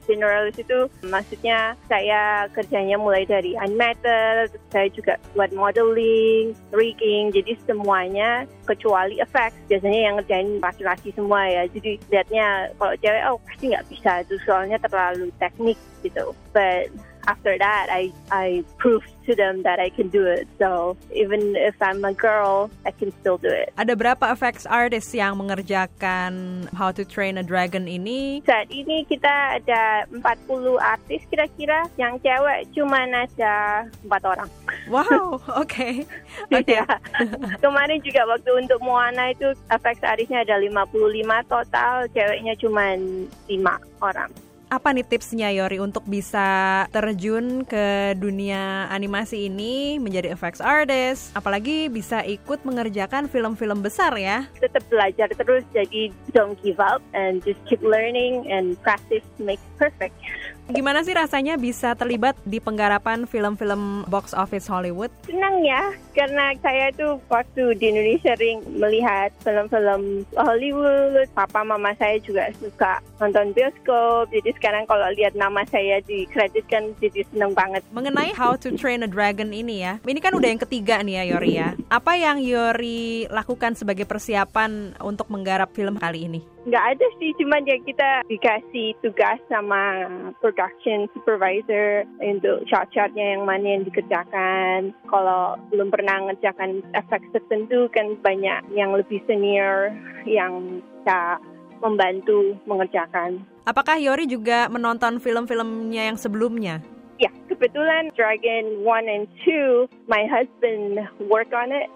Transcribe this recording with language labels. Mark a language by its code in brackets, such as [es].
[id] Generalist itu maksudnya saya kerjanya mulai dari animator, saya juga buat modeling, rigging, jadi semuanya kecuali effects. Biasanya yang ngerjain laki-laki semua ya, jadi liatnya kalau cewek, oh pasti nggak bisa itu soalnya terlalu teknik gitu. [en] But after that, I proved to them that I can do it. So even if I'm a girl, I can still do it. [id] Ada berapa effects artist yang mengerjakan How to Train a Dragon ini? Saat ini kita ada 40 artis kira-kira. Yang cewek cuma ada 4 orang. Wow, okay. Kemarin juga waktu untuk Moana itu effects artistnya ada 55 total, ceweknya cuma 5 orang. Apa nih tipsnya Yori untuk bisa terjun ke dunia animasi ini menjadi effects artist, apalagi bisa ikut mengerjakan film-film besar ya? Tetap belajar terus, jadi [en] don't give up and just keep learning and practice makes perfect. [id] Gimana sih rasanya bisa terlibat di penggarapan film-film box office Hollywood? Senang ya, karena saya tuh waktu di Indonesia sering melihat film-film Hollywood. Papa mama saya juga suka nonton bioskop. Jadi sekarang kalau lihat nama saya dikreditkan, jadi senang banget. Mengenai How to Train a Dragon ini ya, ini kan udah yang ketiga nih ya Yori ya. Apa yang Yori lakukan sebagai persiapan untuk menggarap film kali ini? Nggak ada sih, cuman ya kita dikasih tugas sama production supervisor untuk shot-shotnya yang mana yang dikerjakan. Kalau belum pernah ngerjakan efek tertentu kan banyak yang lebih senior yang bisa membantu mengerjakan. Apakah Yori juga menonton film-filmnya yang sebelumnya? Iya, kebetulan [en] Dragon 1 and 2, my husband work on it.